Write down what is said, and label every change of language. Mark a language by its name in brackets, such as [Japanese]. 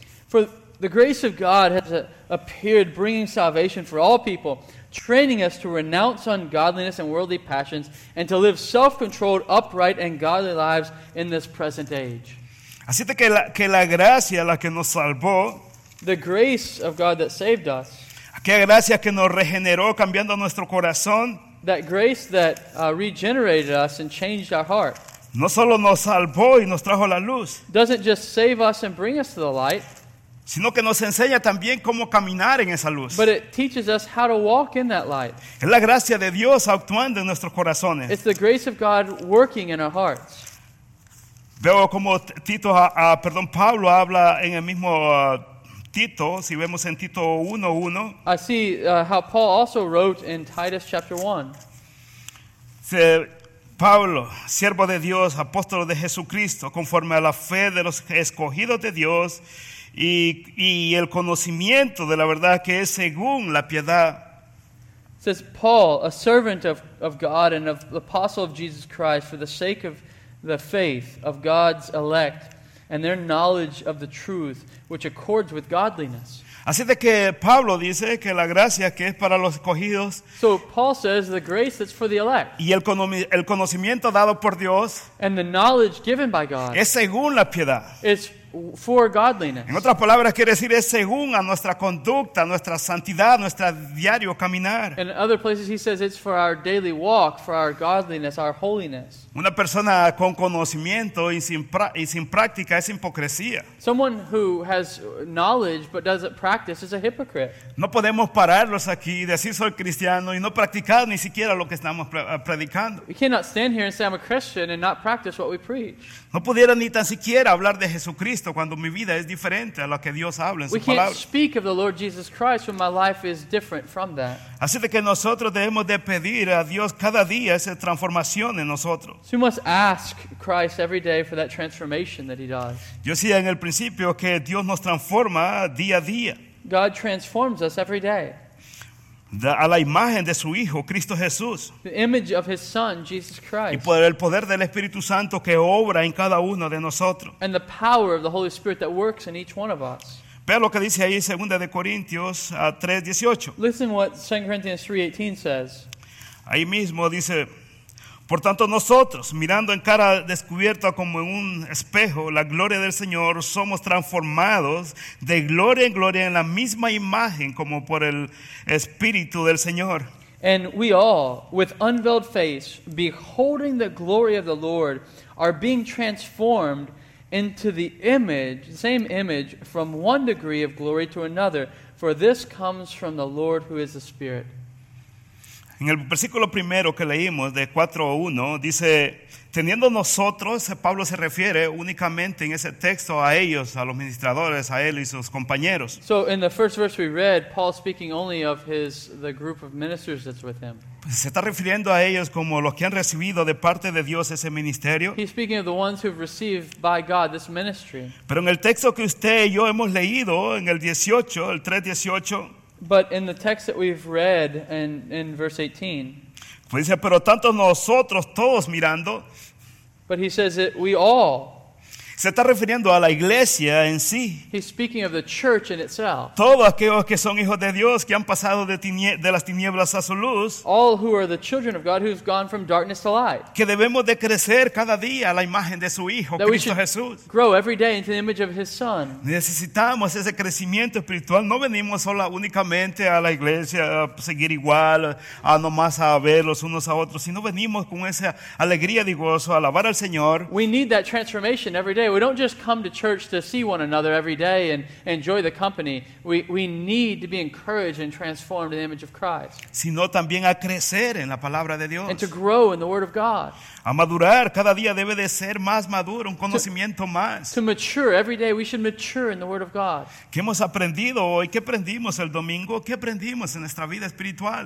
[English] For the grace of God has appeared, bringing salvation for all people, training us to renounce ungodliness and worldly passions, and to live self-controlled, upright, and godly lives in this present age. [Spanish] Así de que la gracia la que nos salvó, [English] the grace of God that saved us, [Spanish] aquella gracia que nos regeneró, cambiando nuestro corazón, [English] that grace that regenerated us and changed our heart, [Spanish] no solo nos salvó y nos trajo la luz, [English] doesn't just save us and bring us to the light, [Spanish] sino que nos enseña también cómo caminar en esa luz. [English] But it teaches us how to walk in that light. [Spanish] Es la gracia de Dios actuando en nuestros corazones. [English] It's the grace of God working in our hearts. [Spanish] Veo como Tito, Pablo habla en el mismo Tito, si vemos en Tito 1:1. [English] I see how Paul also wrote in Titus chapter 1. [Spanish] Dice, Pablo, siervo de Dios, apóstol de Jesucristo, conforme a la fe de los escogidos de Dios, y el conocimiento de la verdad que es según la piedad. [English] It says Paul, a servant of God and of the apostle of Jesus Christ, for the sake of the faith of God's elect and their knowledge of the truth which accords with godliness. [Spanish] Así de que Pablo dice que la gracia que es para los escogidos. [English] So Paul says the grace that's for the elect. [Spanish] Y el conocimiento dado por Dios. [English] And the knowledge given by God. [Spanish] Es según la piedad. [English] It's for godliness. [Spanish] En otras palabras, quiere decir es según a nuestra conducta, nuestra santidad, nuestro diario caminar. [English] In other places he says it's for our daily walk, for our godliness, our holiness. [Spanish] Una persona con conocimiento y sin práctica es hipocresía. [English] Someone who has knowledge but doesn't practice is a hypocrite. [Spanish] No podemos pararlos aquí y decir soy cristiano y no practicar ni siquiera lo que estamos predicando. [English] We cannot stand here and say I'm a Christian and not practice what we preach. [Spanish] No pudiera ni tan siquiera hablar de Jesucristo cuando mi vida es diferente a lo que Dios habla en su palabra. [English] We can't speak of the Lord Jesus Christ when my life is different from that. [Spanish] Así de que nosotros debemos de pedir a Dios cada día esa transformación en nosotros. [English] So we must ask Christ every day for that transformation that He does. [Spanish] Yo decía en el principio que Dios nos transforma día a día. [English] God transforms us every day. [Spanish] a la imagen de su Hijo, Cristo Jesús. [English] The image of his Son, Jesus Christ. [Spanish] Y por el poder del Espíritu Santo que obra en cada uno de nosotros. [English] And the power of the Holy Spirit that works in each one of us. [Spanish] Vea lo que dice ahí 2 Corintios 3:18. [English] Listen what 2 Corinthians 3:18 says. [Spanish] Ahí mismo dice, por tanto nosotros, mirando en cara descubierta como en un espejo la gloria del Señor, somos transformados de gloria en gloria en la misma imagen como por el Espíritu del Señor. [English] And we all, with unveiled face, beholding the glory of the Lord, are being transformed into the image, same image, from one degree of glory to another. For this comes from the Lord who is the Spirit. [Spanish] En el versículo primero que leímos de 4:1 dice, teniendo nosotros, Pablo se refiere únicamente en ese texto a ellos, a los ministradores, a él y sus compañeros. [English] So in the first verse we read, Paul speaking only of the group of ministers that's with him. [Spanish] Pues se está refiriendo a ellos como los que han recibido de parte de Dios ese ministerio. [English] He's speaking of the ones who've received by God this ministry. [Spanish] Pero en el texto que usted y yo hemos leído, en el 18, el 3:18, [English] but in the text that we've read in verse 18, [Spanish] pues dice, pero tanto nosotros todos mirando, [English] but he says that we all, [Spanish] se está refiriendo a la iglesia en sí. [English] He's speaking of the church in itself. [Spanish] Todos aquellos que son hijos de Dios, que han pasado de las tinieblas a su luz. [English] All who are the children of God who've gone from darkness to light. [Spanish] Que debemos de crecer cada día a la imagen de su Hijo, [English] that [Spanish] Cristo Jesús. [English] Grow every day into the image of his Son. [Spanish] Necesitamos ese crecimiento espiritual. No venimos solo únicamente a la iglesia a seguir igual, a nomás a ver los unos a otros, sino venimos con esa alegría y gozo a alabar al Señor. [English] We need that transformation every day. We don't just come to church to see one another every day and enjoy the company. We need to be encouraged and transformed in the image of Christ. [Spanish] Sino también a crecer en la palabra de Dios. [English] And to grow in the Word of God. [Spanish] A madurar. Cada día debe de ser más maduro, un conocimiento más. [English] To mature. Every day we should mature in the Word of God. [Spanish] ¿Qué hemos aprendido hoy? ¿Qué aprendimos el domingo? ¿Qué aprendimos en nuestra vida espiritual?